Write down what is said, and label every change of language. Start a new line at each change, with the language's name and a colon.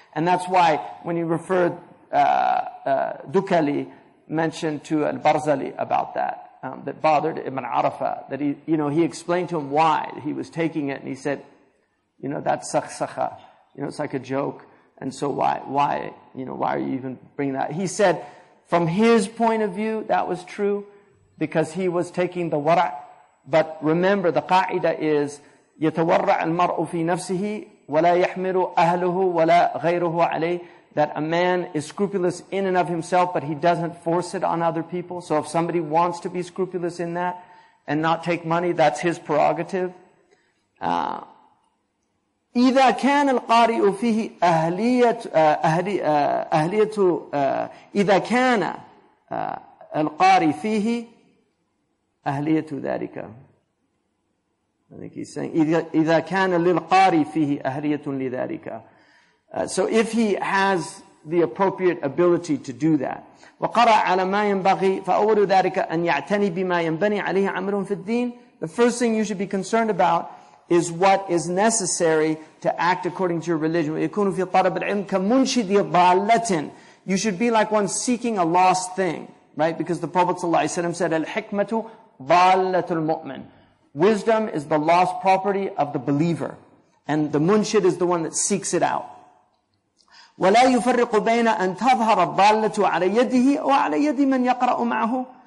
English: And that's why when you refer Dukali mentioned to al-Barzali about that, that bothered Ibn Arafa, that he explained to him why he was taking it, and he said, you know, that's saksakha, you know, it's like a joke, and so why are you even bringing that? He said, from his point of view, that was true, because he was taking the wara', but remember, the qa'ida is,
Arabic: يَتَوَرَّعَ الْمَرْءُ فِي نَفْسِهِ وَلَا يَحْمِلُ أَهْلُهُ وَلَا غَيْرُهُ عَلَيْهِ,
English: that a man is scrupulous in and of himself, but he doesn't force it on other people. So if somebody wants to be scrupulous in that and not take money, that's his prerogative.
Arabic: إذا كان القارئ فيه أهلية أهلية إذا كان القارئ فيه أهلية ذلك.
English: I think he's saying
Arabic: إذا كان للقارئ فيه أهلية لذلك.
English: So if he has the appropriate ability to do that.
Arabic: وقرأ على ما ينبغي فأول ذلك أن يعتني بما ينبني عليه عمله في الدين.
English: The first thing you should be concerned about is what is necessary to act according to your religion.
Arabic: يكون في طلب العلم كمنشد ضالة.
English: You should be like one seeking a lost thing, right? Because the Prophet ﷺ said,
Arabic: الحكمة ضالة المؤمن.
English: Wisdom is the lost property of the believer. And the munshid is the one that seeks it out.
Arabic: وَلَا يُفَرِّقُ بَيْنَ أَن تَظْهَرَ الضَّالَّةُ عَلَى يَدِهِ وَعَلَى يَدِ مَنْ يَقْرَأُ مَعَهُ.